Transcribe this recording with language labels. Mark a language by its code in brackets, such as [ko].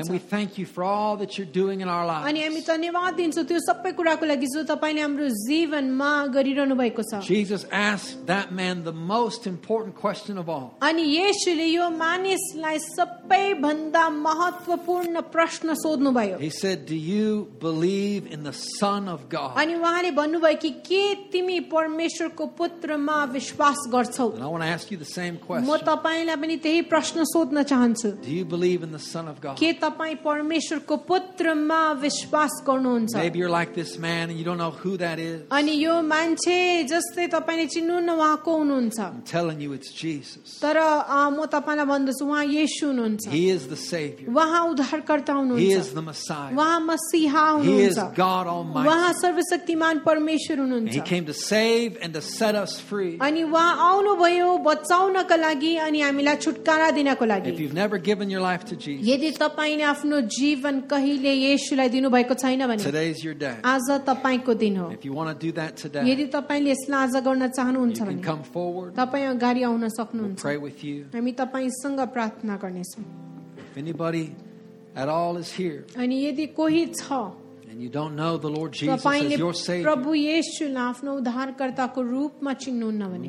[en] And we thank you for all that you're doing in our lives. [ne] अनि हामी धन्यवाद दिन्छौ त्यो सबै कुराको लागि जो तपाईंले हाम्रो जीवनमा गरिरहनु भएको छ. [en] Jesus asked that man the most important question of all. [ne] अनि येशूले यो मानिसलाई सबैभन्दा महत्त्वपूर्ण प्रश्न सोध्नु भयो. [en] He said, "Do you believe in the Son of God?" [ne] अनि उहाँले भन्नुभयो कि के तिमी परमेश्वरको पुत्रमा विश्वास गर्छौ? [en] And I want to ask you the same question. [ne] म तपाईंलाई पनि त्यही प्रश्न सोध्न चाहन्छु. [en] Do you believe in the Son of God? [ne] के तपाईं परमेश्वरको पुत्रमा विश्वास गर्नुहुन्छ? [en] Maybe you're like this man and you don't know who that is. [ne] अनि यो मान्छे जस्तै तपाईंले चिन्नुहुन्न उहाँको हुनुहुन्छ. [en] I'm telling you it's Jesus. [ne] तर म तपाईंलाई भन्दछु उहाँ येशू हुनुहुन्छ. [en] He is the Savior. [ne] उहाँ उद्धारकर्ता हुनुहुन्छ. [en] He is the Messiah. [ne] उहाँ मसीहा हुनुहुन्छ. [en] He is God Almighty. [ne] उहाँ सर्वशक्तिमान परमेश्वर हुनुहुन्छ. [en] He came to save and to set us free. [ne] अनि उहाँ आउनुभयो बचाउनको लागि अनि हामीलाई छुटकारा दिनको लागि. [en] If you've never given your life to Jesus. [ne] यदि तपाईंले आफ्नो जीवन कहिले येशूलाई दिनु भएको छैन भने. [en] Today is your day. [ne] आज तपाईंको दिन हो. [en] If you want to do that today. [ne] यदि तपाईंले यसलाई आज गर्न चाहनुहुन्छ भने. [en] You can come forward. [ne] तपाईं अगाडि आउन सक्नुहुन्छ. [en] Pray with you. [ne] हामी तपाईंसँग प्रार्थना गर्नेछौं. [en] If anybody at all is here. [ne] अनि यदि कोही छ. [en] And you don't know the Lord Jesus as your Savior. [ne] प्रभु येशूलाई आफ्नो उद्धारकर्ताको रूपमा चिन्नुहुन्न भने.